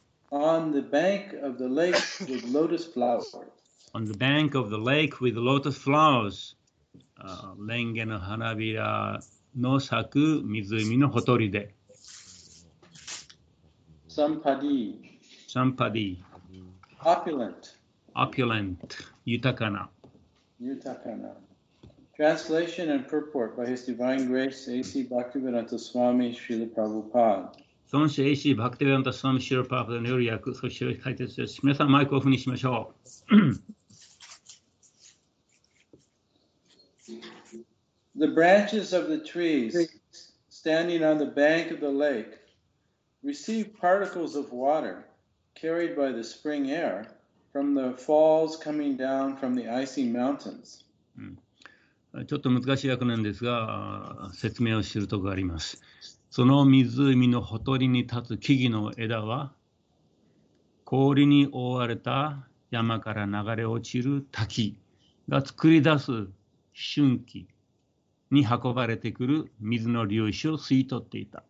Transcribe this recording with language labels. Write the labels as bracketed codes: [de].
[en] On the bank of the lake with lotus flowers. On the bank of the lake with lotus flowers. [ja] レンゲの花びらの咲く湖のほとりで。 [sa] Sampadi. Sampadi. [en] Opulent. Opulent. [ja] 豊かな。豊かな。 [en] Translation and purport by His Divine Grace A.C. Bhaktivedanta Swami Srila Prabhupada. [ja] 尊師 A.C. Bhaktivedanta Swami Srila Prabhupada による訳、そして解説です。皆さんマイクオフにしましょう。 [en] The branches of the trees standing on the bank of the lake receive particles of water carried by the spring air from the falls coming down from the icy mountains. [ja] ちょっと難しい訳なんですが、説明をするところがあります。その湖のほとりに立つ木々の枝は、氷に覆われた山から流れ落ちる滝が作り出す瞬気に運ばれてくる水の粒子を吸い取っていた。